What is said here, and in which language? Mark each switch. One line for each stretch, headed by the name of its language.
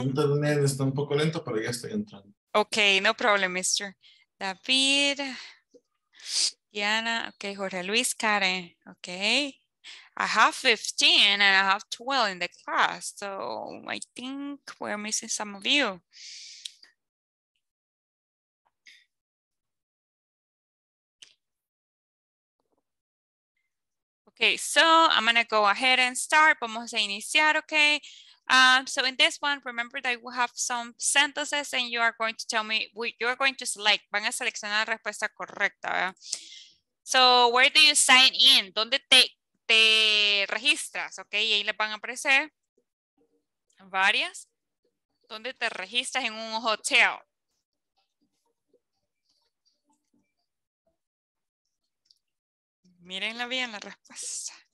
Spanish: Mi internet está un poco lento, pero ya estoy entrando.
English: Ok, no problem, mister. David. Diana, okay, Jorge Luis, Karen, okay. I have 15 and I have 12 in the class, so I think we're missing some of you. Okay, so I'm gonna go ahead and start.
Spanish: Vamos a iniciar,
English: okay? So in this one, remember that we have some sentences and you are going to tell me, you're going to select,
Spanish: van a seleccionar la respuesta correcta, ¿verdad?
English: So where do you sign in?
Spanish: ¿Dónde te registras? Ok, y ahí les van a aparecer varias. ¿Dónde te registras en un hotel? Mírenla bien la respuesta.